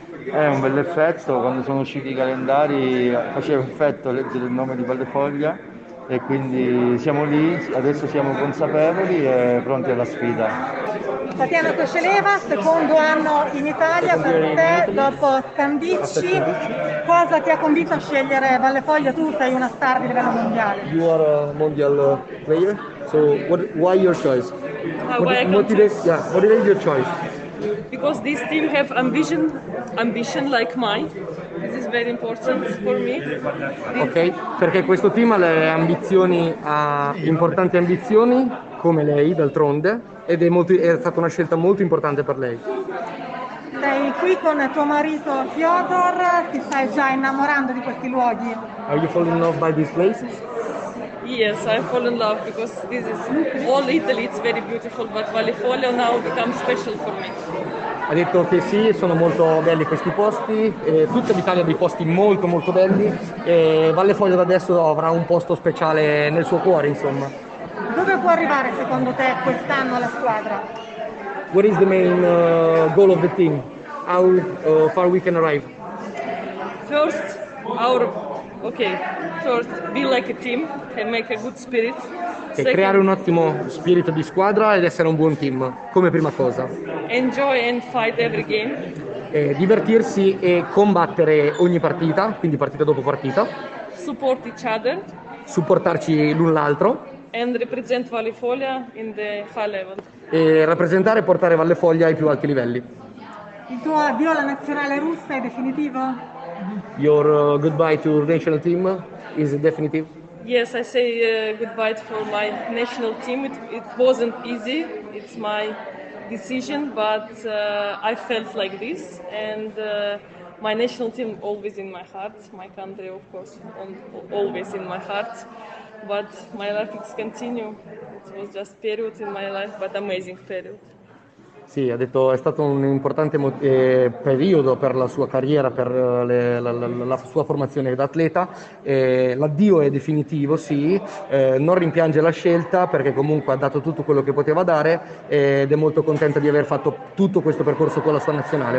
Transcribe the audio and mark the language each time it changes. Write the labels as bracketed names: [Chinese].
[Italian] È un bel effetto, quando sono usciti i calendari faceva effetto leggere il nome di Valdefoglia e quindi siamo lì, adesso siamo consapevoli e pronti alla sfida. Tatiana Kosheleva, secondo anno in Italia per te dopo Scandicci, cosa ti ha convinto a scegliere Valdefoglia? Tu sei una star di livello mondiale. [English] You are a mondial player, so what, why your choice? What is your choice? Because this team have ambition like mine. This is very important for me. [Italian] Ok, perché questo team ha le ambizioni, ha importanti ambizioni come lei d'altronde, ed è stata una scelta molto importante per lei. Sei qui con tuo marito Fyodor, ti stai già innamorando di questi luoghi. [English] Are you falling in love by these places? Yes, I fall in love because this is all Italy, it's very beautiful, but Valdefoglia now becomes special for me. [Italian] Ha detto che sì, sono molto belli questi posti, tutta l'Italia ha dei posti molto molto belli e Valdefoglia da adesso avrà un posto speciale nel suo cuore, insomma. Dove può arrivare secondo te quest'anno la squadra? [English] What is the main goal of the team? How far we can arrive? First, our okay, first be like a team and make a good spirit. [Italian] Second, creare un ottimo spirito di squadra ed essere un buon team come prima cosa. [English] Enjoy and fight every game. [Italian] E divertirsi e combattere ogni partita, quindi partita dopo partita. [English] Support each other. [Italian] Supportarci l'un l'altro. [English] And represent Valdefoglia in the high level. [Italian] E rappresentare e portare Valdefoglia ai più alti livelli. Il tuo addio alla nazionale russa è definitivo? [English] Your goodbye to national team is definitive? Yes, I say goodbye for my national team. It wasn't easy. It's my decision, but I felt like this. And my national team always in my heart. My country, of course, always in my heart. But my life is continue. It was just a period in my life, but amazing period. [Italian] Sì, ha detto è stato un importante periodo per la sua carriera, per la sua formazione da atleta. L'addio è definitivo, sì, non rimpiange la scelta perché comunque ha dato tutto quello che poteva dare ed è molto contenta di aver fatto tutto questo percorso con la sua nazionale.